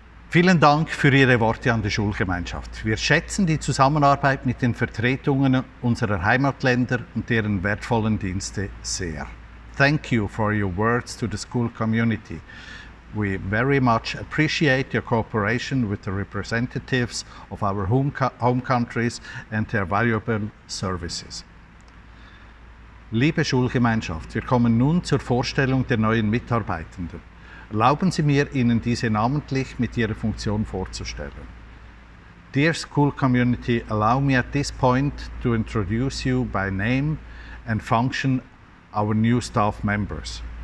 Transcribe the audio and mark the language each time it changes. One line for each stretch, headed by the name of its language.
German: Vielen Dank für Ihre Worte an die Schulgemeinschaft. Wir schätzen die Zusammenarbeit mit den Vertretungen unserer Heimatländer und deren wertvollen Dienste sehr.
English: Thank you for your words to the school community. We very much appreciate your cooperation with the representatives of our home countries and their valuable services.
German: Liebe Schulgemeinschaft, wir kommen nun zur Vorstellung der neuen Mitarbeitenden. Erlauben Sie mir, Ihnen diese namentlich mit Ihrer Funktion vorzustellen.
English: Dear school community, allow me at this point to introduce you by name and function our new staff members.